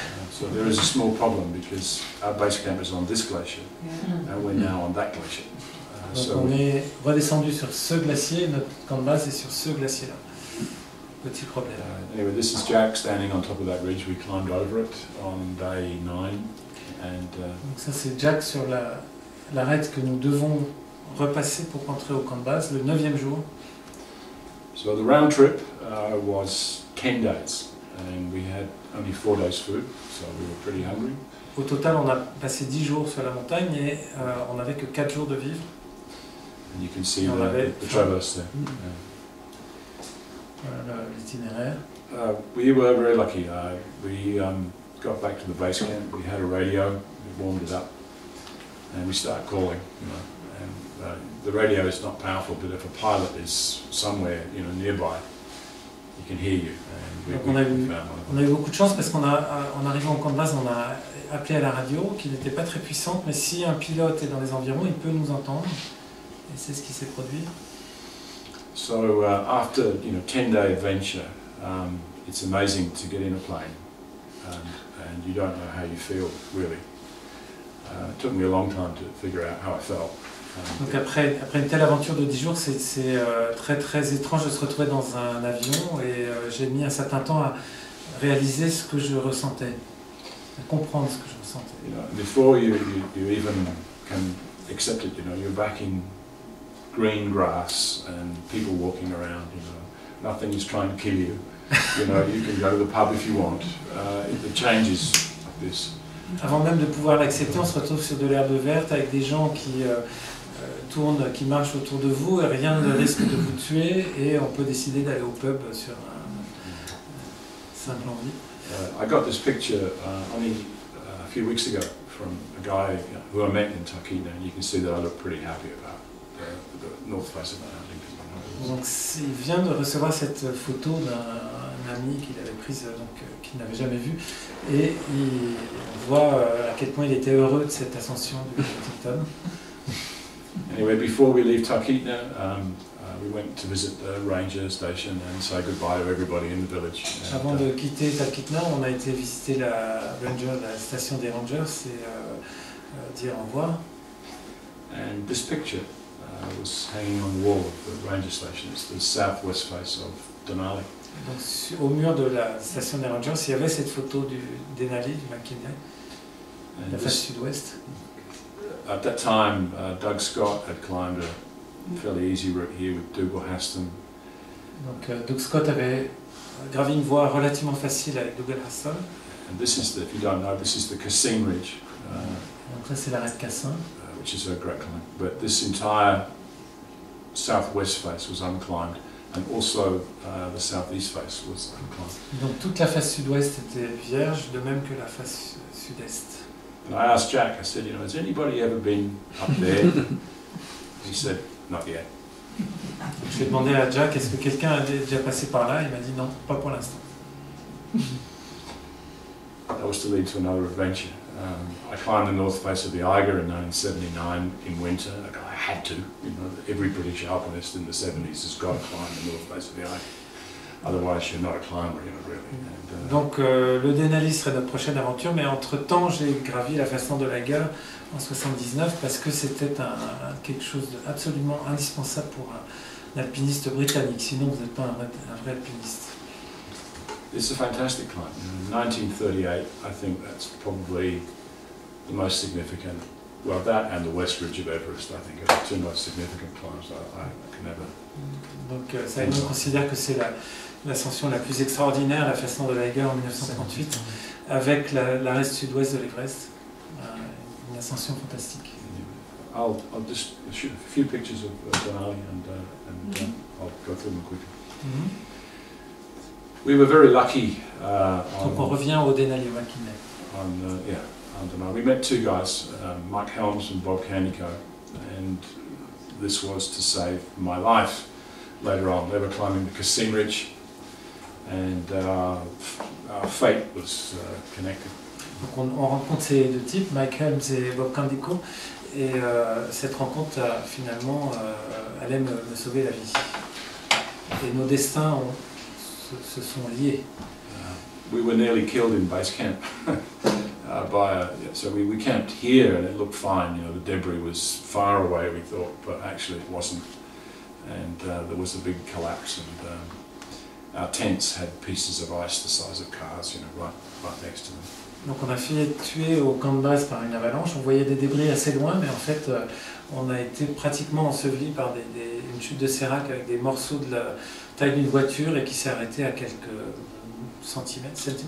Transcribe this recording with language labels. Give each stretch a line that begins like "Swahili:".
English: So there is a small problem because our base camp is on this glacier, and we're now on that glacier.
French: Donc on est redescendu sur ce glacier, notre camp de base est sur ce glacier-là. Petit problème.
English: Anyway, this is Jack standing on top of that ridge. We climbed over it on day 9.
French: Donc ça c'est Jack sur l'arête que nous devons repasser pour entrer au camp de base, le 9e jour.
English: So the round trip was 10 days, and we had only 4 days food, so we were pretty hungry.
French: Au total, on a passé 10 jours sur la montagne et on n'avait que 4 jours de vivre.
English: And you can see the traverse there.
French: Mm-hmm. Yeah. Voilà l'itinéraire.
English: We were very lucky. We got back to the base camp, we had a radio, we warmed it up, and we started calling, you know. The radio is not powerful, but if a pilot is somewhere, you know, nearby, he can hear you.
French: On a eu beaucoup de chance parce qu'en arrivant au camp de base, on a appelé à la radio, qui n'était pas très puissante, mais si un pilote est dans les environs, il peut nous entendre, et c'est ce qui s'est produit.
English: So after, you know, 10-day adventure, it's amazing to get in a plane, and you don't know how you feel really. It took me a long time to figure out how I felt.
French: Donc après une telle aventure de 10 jours, c'est très très étrange de se retrouver dans un avion, et j'ai mis un certain temps à réaliser ce que je ressentais, à comprendre ce que je ressentais.
English: You know, before you even can accept it, you know, you're back in green grass and people walking around, you know, nothing is trying to kill you, you know, you can go to the pub if you want, the change is like this.
French: Avant même de pouvoir l'accepter, on se retrouve sur de l'herbe verte avec des gens qui marchent autour de vous, et rien ne risque de vous tuer, et on peut décider d'aller au pub sur un simple envie.
English: I got this picture only a few weeks ago from a guy who I met in Tarquino, and you can see that I look pretty happy about the north face of my hand.
French: Donc, il vient de recevoir cette photo d'un ami qu'il avait prise, donc qu'il n'avait jamais vue, et il voit à quel point il était heureux de cette ascension du Tintin.
English: Anyway, before we leave Tarquino, we went to visit the ranger station and say goodbye to everybody in the village.
French: Avant de quitter Tarquino, on a été visiter la station des rangers et dire au revoir.
English: And this picture was hanging on the wall of the ranger station. It's the southwest face of Denali.
French: Donc, au mur de la station des rangers, il y avait cette photo du Denali, du McKinley, la face sud-ouest.
English: At that time, Doug Scott had climbed a fairly easy route here with Dougal Haston.
French: Donc, Doug Scott avait gravi une voie relativement facile avec Dougal Haston.
English: And this is the, if you don't know, this is the Cassin Ridge.
French: Donc là, c'est l'arête Cassin.
English: Which is a great climb. But this entire southwest face was unclimbed, and also the southeast face was unclimbed.
French: Donc toute la face sud-ouest était vierge, de même que la face sud-est.
English: And I asked Jack, I said, you know, has anybody ever been up there? He said, not yet.
French: J'ai demandé à Jack, est-ce que quelqu'un a déjà passé par là? Il m'a dit, non, pas pour l'instant.
English: That was to lead to another adventure. I climbed the north face of the Eiger in 1979 in winter. I had to. You know, every British alpinist in the 70s has got to climb the north face of the Eiger. Otherwise, you're not a climber, you know, really. And,
French: Donc, le Denali serait notre prochaine aventure, mais entre-temps, j'ai gravi la façon de la gare en 79 parce que c'était quelque chose d'absolument indispensable pour un alpiniste britannique. Sinon, vous n'êtes pas un vrai alpiniste.
English: It's a fantastic climb. In 1938, I think that's probably the most significant. Well, that and the West Ridge of Everest, I think, are the two most significant climbs I can ever. Donc, ça on considère que c'est l'ascension la plus extraordinaire, la façon de l'Eiger en 1938, avec l'arête sud-ouest de l'Everest, une ascension fantastique. Anyway, I'll just shoot a few pictures of Denali and I'll go through them quickly. Mm-hmm. We were very lucky.
French: Donc on revient au Denali McKinley.
English: We met two guys, Mike Helms and Bob Canico, and this was to save my life later on. They were climbing the Cassin Ridge, and our fate was connected.
French: Donc on rencontre ces deux types, Mike Helms et Bob Canico, et cette rencontre finalement allait me sauver la vie. Et nos destins ont se sont liés.
English: We were nearly killed in base camp so we camped here and it looked fine, you know, the debris was far away we thought, but actually it wasn't, and there was a big collapse, and our tents had pieces of ice the size of cars, you know, right next to them.
French: Donc on a fini tué au camp de base par une avalanche, on voyait des débris assez loin, mais en fait on a été pratiquement enseveli par une chute de sérac avec des morceaux de la taille d'une voiture et qui s'est arrêtée à quelques centimètres,